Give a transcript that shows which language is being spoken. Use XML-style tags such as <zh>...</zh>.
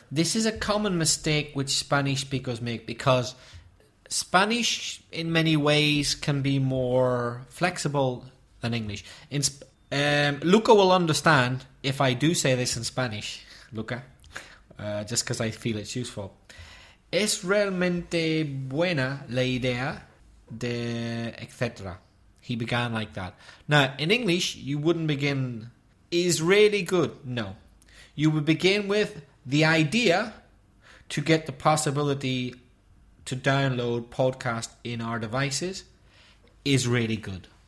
<en>This is a common mistake which Spanish speakers make, because Spanish in many ways can be more flexible than English. Luca will understand if I do say this in Spanish, Luca, just because I feel it's useful.</en> <es>Es realmente buena la idea de etc.</es> <en>He began like that. Now, in English, you wouldn't begin, is really good. No. You would begin with the idea to get the possibility to download podcast in our devices is really good.</en>